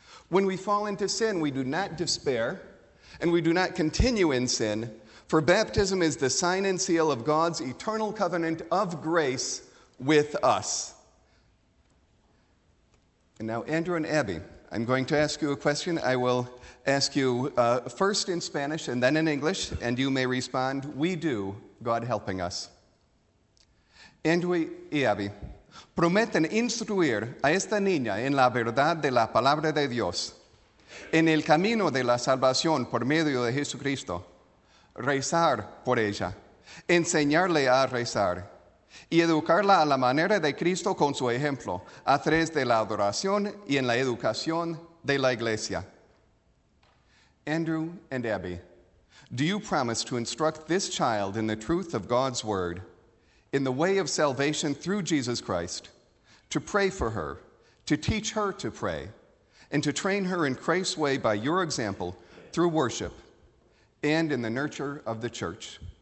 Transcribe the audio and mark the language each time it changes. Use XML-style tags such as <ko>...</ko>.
<en>When we fall into sin, we do not despair, and we do not continue in sin, for baptism is the sign and seal of God's eternal covenant of grace with us. And now, Andrew and Abby, I'm going to ask you a question. I will ask you first in Spanish and then in English, and you may respond, "We do, God helping us."</en> <es>Andrew y Abby, prometen instruir a esta niña en la verdad de la palabra de Dios, en el camino de la salvación por medio de Jesucristo, rezar por ella, enseñarle a rezar, y educarla a la manera de Cristo con su ejemplo, a través de la adoración y en la educación de la iglesia.</es> <en>Andrew and Abby, do you promise to instruct this child in the truth of God's word, in the way of salvation through Jesus Christ, to pray for her, to teach her to pray, and to train her in Christ's way by your example, through worship, and in the nurture of the church?</en>